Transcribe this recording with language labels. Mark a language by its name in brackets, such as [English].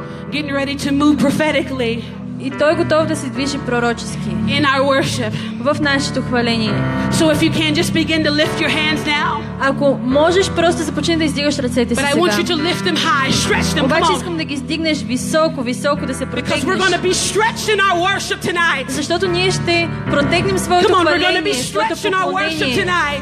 [English] Getting ready to move prophetically. [Bulgarian] И той готов да се движи пророчески. [English] In our worship. [Bulgarian] В нашето хваление. [English] So if you can just begin to lift your hands now. [Bulgarian] Ако можеш просто започни да издигаш ръцете си сега. [English] But I want you to lift them high, stretch them. [Bulgarian] Обаче искам да ги издигнеш високо, високо да се протегнеш. [English] Because we're going to be stretched in our worship tonight. [Bulgarian] Защото ние ще протегнем своето хваление. [English] Come on, we're going to be stretched in our worship tonight.